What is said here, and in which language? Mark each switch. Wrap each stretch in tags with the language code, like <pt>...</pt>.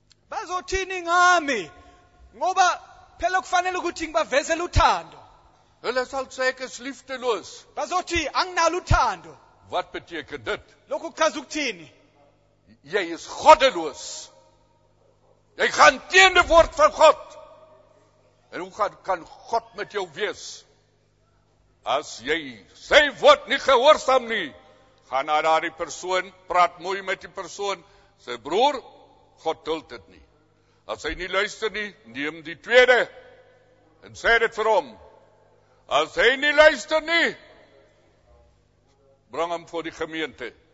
<zu>Bazothini ngami? Ngoba phela kufanele ukuthi ngibavezele uthando.</zu> <af>Hulle sal sê ek is liefdeloos.</af> <zu>Bazothi anginalo uthando.</zu> <af>Wat beteken dit?</af> <zu>Lokho kuchaza ukuthini?</zu> <af>Jy is goddeloos. Jy gaan teen die woord van God. En hoe kan God met jou wees? As jy sy woord nie gehoorsam nie, gaan na daar die persoon, praat mooi met die persoon, sê broer, God duld dit nie. As hy nie luister nie, neem die tweede en sê dit vir hom. As hy nie luister nie, bring hom voor die gemeente.</af>